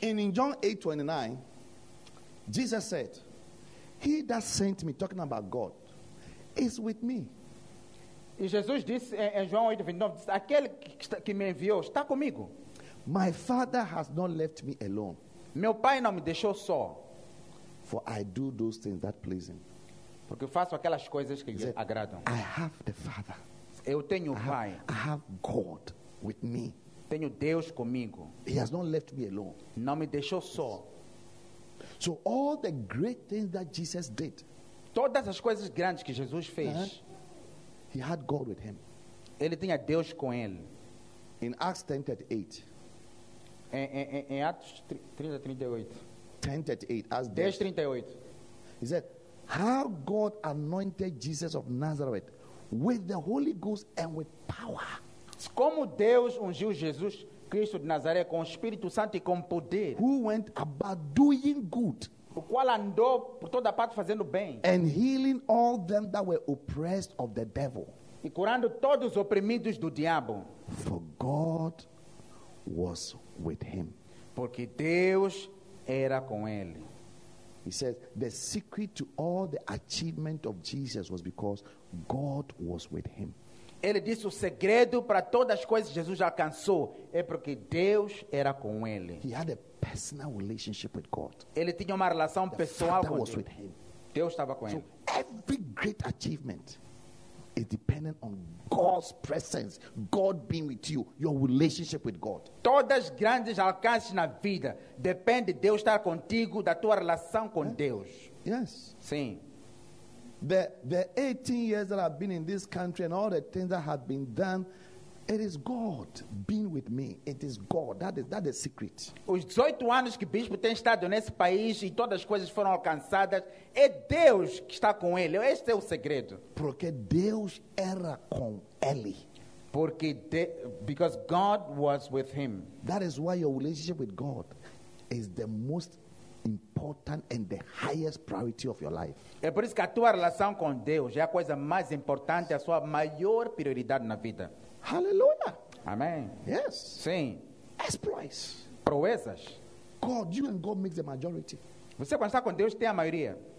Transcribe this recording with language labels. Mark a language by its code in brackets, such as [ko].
[en] In John 8:29, Jesus said, he that sent me, talking about God, is with me. [pt] E Jesus disse em João 8:29, aquele que me enviou está comigo. [en] My Father has not left me alone. [pt] Meu Pai não me deixou só. [en] For I do those things that please him. [pt] Porque eu faço aquelas coisas que lhe agradam. [en] I have the Father. [pt] Eu tenho o Pai. [en] I have God with me. [pt] Tenho Deus comigo. [en] He has not left me alone. [pt] Não me deixou só. [en] So all the great things that Jesus did. [pt] Todas as coisas grandes que Jesus fez. Uh-huh. [en] He had God with him. [pt] Ele tinha Deus com ele. [en] In Acts 10:38. [pt] Em Atos 30:38. [en] 10:38. He said, how God anointed Jesus of Nazareth with the Holy Ghost and with power. [pt] Como Deus ungiu Jesus Cristo de Nazaré com o Espírito Santo e com poder. [en] Who went about doing good. [pt] O qual andou por toda parte fazendo bem. [en] And healing all them that were oppressed of the devil. [pt] E curando todos os oprimidos do diabo. [en] For God was with him. [pt] Porque Deus era com ele. [en] He says the secret to all the achievement of Jesus was because God was with him. [pt] Ele disse o segredo para todas as coisas que Jesus alcançou é porque Deus era com ele. [en] He had a personal relationship with God. [pt] Ele tinha uma relação [en] the [pt] pessoal [en] Father [pt] com [en] was [pt] Deus. [en] With him. [pt] Deus estava com [en] so [pt] ele. [en] Every great achievement is dependent on God's presence, God being with you, your relationship with God. [pt] Todas grandes alcances na vida depende de Deus estar contigo, da tua relação com yeah. Deus. [en] Yes. [pt] Sim. [en] The 18 years that I've been in this country and all the things that have been done, it is God being with me. It is God. That is the secret. [pt] Os 18 anos que bispo tem estado nesse país e todas as coisas foram alcançadas, é Deus que está com ele. Este é o segredo. Porque Deus era com ele. [en] Porque because God was with him. That is why your relationship with God is the most important and the highest priority of your life. [pt] É por isso que a tua relação com Deus é a coisa mais importante, a sua maior prioridade na vida. [en] Hallelujah. Amen. Yes. [pt] Sim. [en] Exploits. [pt] Proezas. [en] God, you and God make the majority. [pt] Você quando está com Deus tem a maioria.